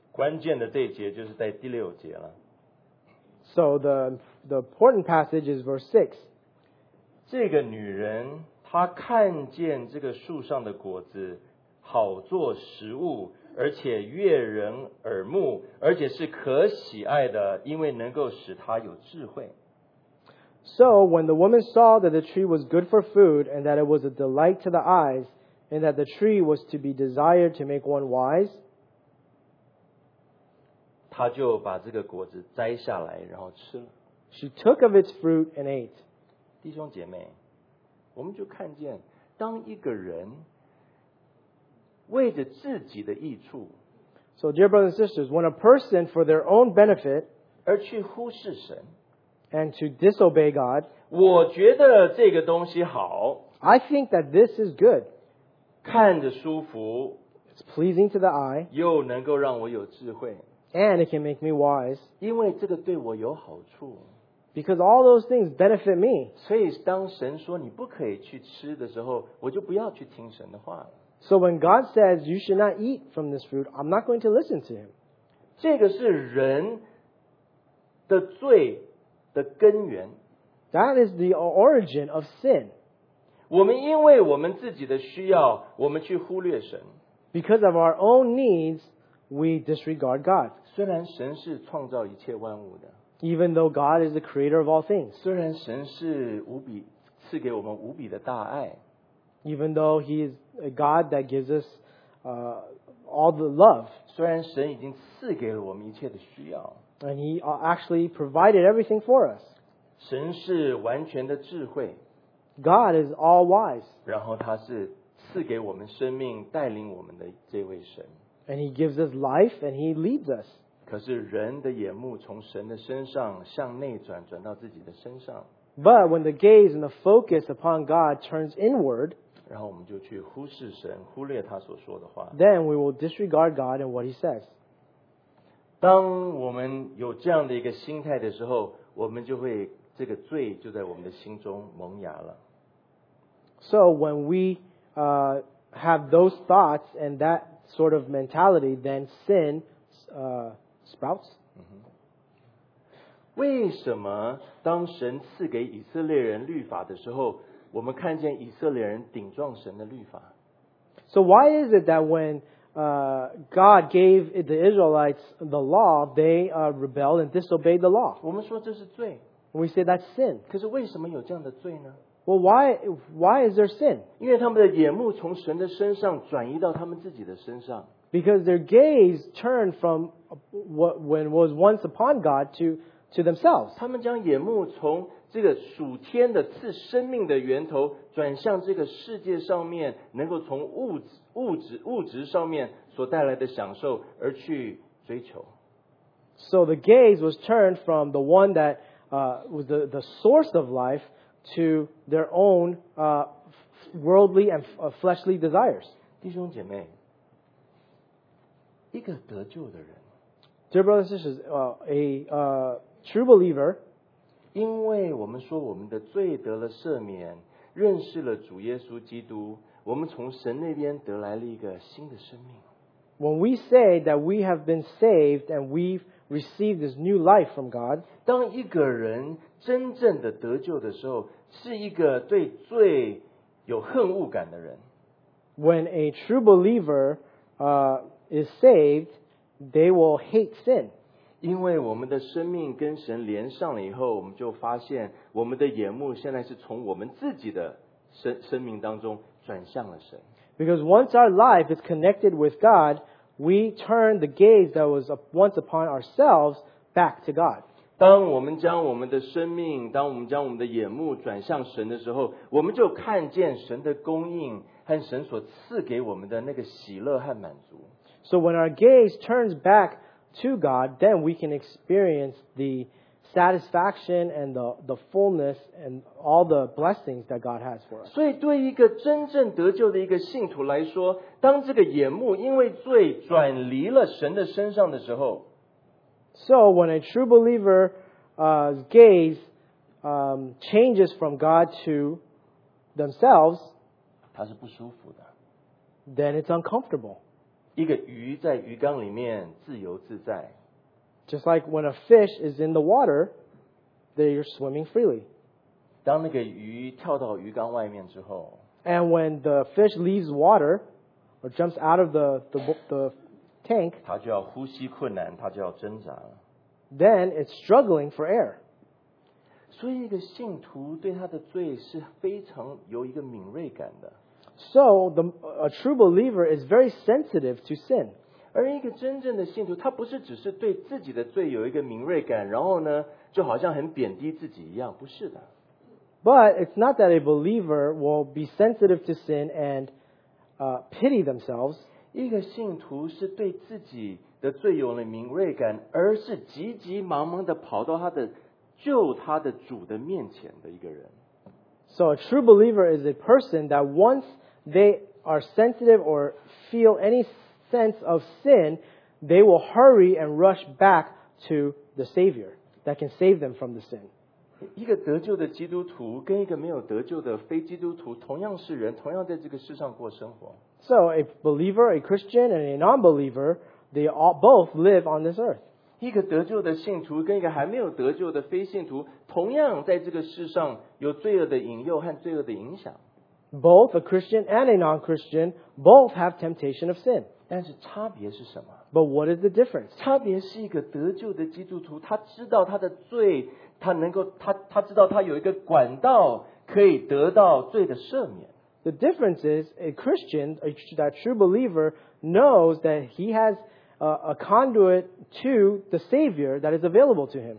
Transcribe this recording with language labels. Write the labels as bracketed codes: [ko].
[zh] 关键的这一节就是在第六节了。 [en] So the important passage is verse 6. [zh] 这个女人她看见这个树上的果子好做食物，而且悦人耳目，而且是可喜爱的，因为能够使她有智慧。 [en] So when the woman saw that the tree was good for food, and that it was a delight to the eyes, and that the tree was to be desired to make one wise, [zh] 她就把这个果子摘下来，然后吃了。 [en] She took of its fruit and ate. [zh] 弟兄姐妹，我们就看见，当一个人为着自己的益处， [en] So dear brothers and sisters, when a person for their own benefit [zh] 而去忽视神， [en] and to disobey God, [zh] 我觉得这个东西好， [en] I think that this is good, [zh] 看着舒服， [en] it's pleasing to the eye, [zh] 又能够让我有智慧， [en] and it can make me wise, [zh] 因为这个对我有好处， [en] because all those things benefit me. [zh] 所以当神说你不可以去吃的时候，我就不要去听神的话了。 [en] So when God says you should not eat from this fruit, I'm not going to listen to him. [zh] 这个是人的罪的根源。 [en] That is the origin of sin. [zh] 我们因为我们自己的需要，我们去忽略神。 [en] Because of our own needs, we disregard God. [zh] 虽然神是创造一切万物的。 [en] Even though God is the creator of all things. [zh] 虽然神是无比赐给我们无比的大爱。 [en] Even though he is a God that gives us all the love. [zh] 虽然神已经赐给了我们一切的需要。 [en] And he actually provided everything for us. [zh] 神是完全的智慧。 [en] God is all wise. [zh] 然后他是赐给我们生命带领我们的这位神。 [en] And he gives us life and he leads us. [zh] 可是人的眼目从神的身上向内转，转到自己的身上。 [en] But when the gaze and the focus upon God turns inward, [zh] 然后我们就去忽视神，忽略他所说的话。 [en] Then we will disregard God and what he says. [zh] 当我们有这样的一个心态的时候，我们就会这个罪就在我们的心中萌芽了。 [en] So when we have those thoughts and that sort of mentality, then sin sprouts. [zh] 为什么当神赐给以色列人律法的时候，我们看见以色列人顶撞神的律法？ [en] So why is it that when God gave the Israelites the law, they rebelled and disobeyed the law? [zh] 我们说这是罪。 [en] We say that's sin. [zh] 可是为什么有这样的罪呢？ [en] Well, why is there sin? [zh] 因为他们的眼目从神的身上转移到他们自己的身上。 [en] Because their gaze turned from what when was once upon God to themselves. [zh] 他们将眼目从这个属天的赐生命的源头转向这个世界上面能够从物质上面所带来的享受而去追求。 [en] So the gaze was turned from the one that was the source of life to their own worldly and fleshly desires. [zh] 弟兄姐妹，一个得救的人， [en] Dear brothers and sisters, True believer, [zh] 因为我们说我们的罪得了赦免，认识了主耶稣基督，我们从神那边得来了一个新的生命。 [en] When we say that we have been saved and we've received this new life from God, [zh] 当一个人真正的得救的时候，是一个对罪有恨恶感的人。 [en] When a true believer is saved, they will hate sin. [zh] 因为我们的生命跟神连上了以后，我们就发现我们的眼目现在是从我们自己的 生命当中转向了神。 [en] Because once our life is connected with God, we turn the gaze that was once upon ourselves back to God. [zh] 当我们将我们的生命，当我们将我们的眼目转向神的时候，我们就看见神的供应和神所赐给我们的那个喜乐和满足。 [en] So when our gaze turns back to God, then we can experience the satisfaction and the fullness and all the blessings that God has for us. [zh] 所以对一个真正得救的一个信徒来说，当这个眼目因为罪转离了神的身上的时候， [en] So when a true believer's gaze changes from God to themselves, [zh] 他是不舒服的。 [en] Then it's uncomfortable. [zh] 一个鱼在鱼缸里面自由自在。 [en] Just like when a fish is in the water, they're swimming freely. [zh] 当那个鱼跳到鱼缸外面之后， [en] And when the fish leaves water or jumps out of the tank, [zh] 他就要呼吸困难，他就要挣扎。 [en] Then it's struggling for air. [zh] 所以一个信徒对他的罪是非常有一个敏锐感的。 [en] So a true believer is very sensitive to sin. [zh] 而一个真正的信徒，他不是只是对自己的罪有一个敏锐感，然后呢，就好像很贬低自己一样，不是的。 [en] But it's not that a believer will be sensitive to sin and pity themselves. [zh] 一个信徒是对自己的罪有了敏锐感，而是急急忙忙地跑到他的救他的主的面前的一个人。 [en] So a true believer is a person that once they are sensitive or feel any sense of sin, they will hurry and rush back to the Savior that can save them from the sin. [zh] 一个得救的基督徒跟一个没有得救的非基督徒同样是人，同样在这个世上过生活。 [en] So a believer, a Christian, and a non-believer, they all both live on this earth. [zh] 一个得救的信徒跟一个还没有得救的非信徒，同样在这个世上有罪恶的引诱和罪恶的影响。 [en] Both a Christian and a non-Christian both have temptation of sin. [zh] 但是差别是什么？ [en] But what is the difference? [zh] 差别是一个得救的基督徒，他知道他的罪，他能够他知道他有一个管道可以得到罪的赦免。 [en] The difference is a Christian, that true believer, knows that he has a conduit to the Savior that is available to him.